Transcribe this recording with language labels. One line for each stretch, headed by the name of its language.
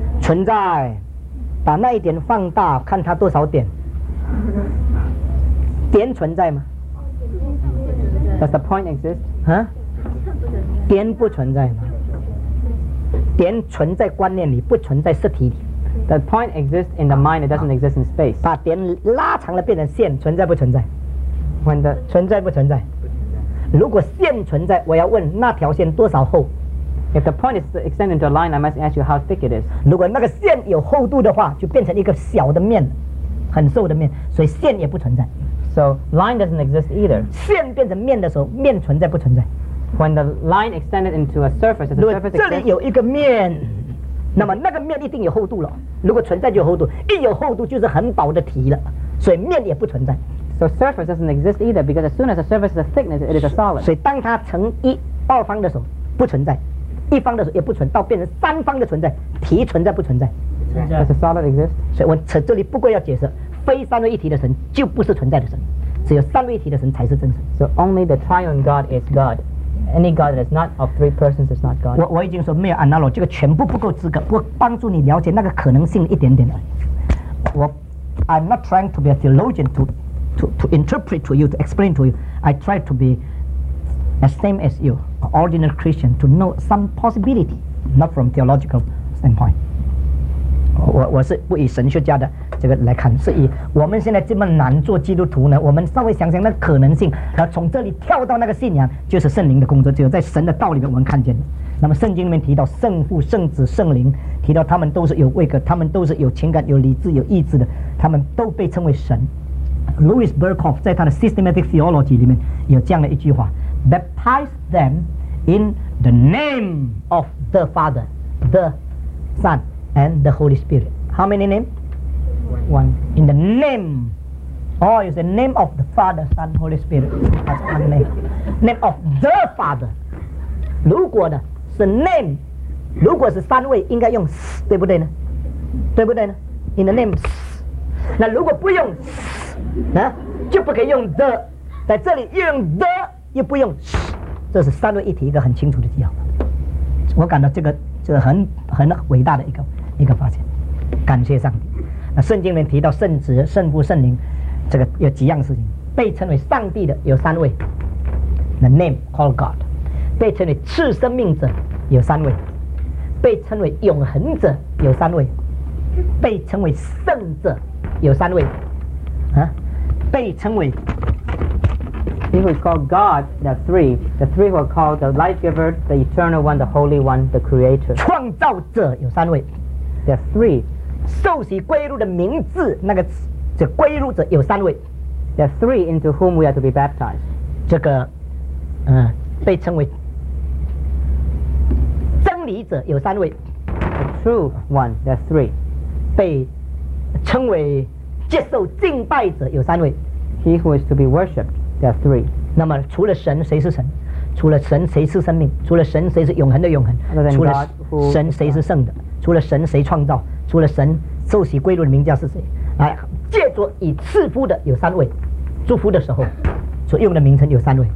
Chinese: 存在，把那一点放大，看它多少点。点存在吗
English: ？Does the point exist?
Chinese: 啊？点不存在吗？点存在观念里，不存在实体里。
English: The point exists in the mind, it doesn't exist in space.
Chinese: 把点拉长了变成线，存在不存在？
English: When the
Chinese: 存在不存在？如果线存在，我要问那条线多少厚？
English: If the point is extended into a line, I must ask you how thick it is.
Chinese: 如果那个线有厚度的话，就变成一个小的面，很瘦的面，所以线也不存在。
English: So line doesn't exist either.
Chinese: 线变成面的时候，面存在不存在？
English: When the line extended into a surface, is the surface extended?
Chinese: 如果这里有一个面，那么那个面一定有厚度了。如果存在就有厚度，一有厚度就是很薄的体了，所以面也不存在。
English: So surface doesn't exist either, because as soon as the surface is a thickness, it is a solid.
Chinese: 所以当它乘一二方的时候不存在，一方的时候也不存在，到变成三方的存在，体存在不存在？存在。
English: Does a solid exist?
Chinese: 所以我这里不过要解释，非三位一体的神就不是存在的神，只有三位一体的神才是真神。
English: So only the triune God is God. Any God that is not of three persons is not God.
Chinese: 我已经说没有 analog， 这个全部不够资格，不过帮助你了解那个可能性一点点而已。
English: I'm not trying to be a theologian to interpret to you, to explain to you. I try to be the same as you, an ordinary Christian, to know some possibility, not from theological standpoint.
Chinese: 我是不以神学家的这个来看，是以我们现在这么难做基督徒呢，我们稍微想想那可能性，然后从这里跳到那个信仰，就是圣灵的工作，只有在神的道里面我们看见的。那么圣经里面提到圣父、圣子、圣灵，提到他们都是有位格，他们都是有情感、有理智、有意志的，他们都被称为神。
English: Louis Berkhof
Chinese: 在他的
English: Systematic Theology
Chinese: 里面有这样的一句话，
English: Baptize them in the name of the Father, the Son and the Holy Spirit. How many names One. In the name, oh, it's the name of the Father, Son, Holy Spirit. That's one name. Name of the Father.
Chinese: 如果呢是 name， 如果是三位，应该用 s， 对不对呢？对不对呢？
English: In the name，
Chinese: 那如果不用 s， 啊，就不可以用 the， 在这里又用 the， 又不用 s， 这是三位一体一个很清楚的记号。我感到这个很伟大的一个发现，感谢上帝。圣经里面提到圣子、圣父、圣灵，这个有几样事情。被称为上帝的有三位 ，
English: the name called God；
Chinese: 被称为赐生命者有三位；被称为永恒者有三位；被称为圣者有三位。啊，被称为
English: ，He who is called God, there are three. The three who are called the Light Giver, the Eternal One, the Holy One, the Creator.
Chinese: 创造者有三位
English: ，there are three.
Chinese: 受洗归入的名字，那个这归入者有三位。
English: There are three into whom we are to be baptized.
Chinese: 这个，被称为真理者有三位。
English: The true one, there are three.
Chinese: 被称为接受敬拜者有三位。
English: He who is to be worshipped, there are three.
Chinese: 那么除了神，谁是神？除了神，谁是生命？除了神，谁是永恒的永恒？除了神，谁是圣的？除了神，谁创造？除了神，受洗归入的名叫是谁？哎，借着以赐福的有三位，祝福的时候所用的名称有三位。